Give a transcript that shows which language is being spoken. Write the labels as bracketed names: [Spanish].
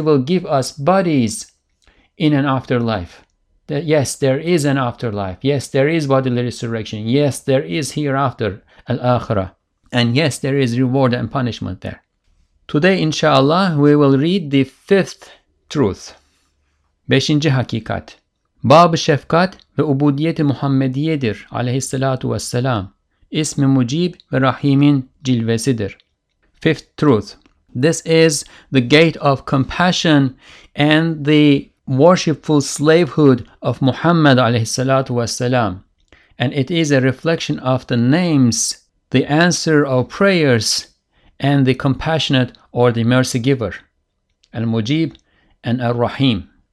[English] He will give us bodies in an afterlife. That, yes, there is an afterlife. Yes, there is bodily resurrection. Yes, there is hereafter, al-akhirah. And yes, there is reward and punishment there. Today, inshallah, we will read the fifth truth. [Turkish] Beşinci hakikat. Bab-ı şefkat ve ubudiyet-i Muhammediyedir aleyhissalatu vesselam. İsmi mucib ve rahimin cilvesidir. [English] Fifth truth. This is the gate of compassion and the worshipful slavehood of Muhammad aleyhissalatu vesselam. And it is a reflection of the names, the answer of prayers, and the compassionate or the mercy giver, al-mujib and al-rahim.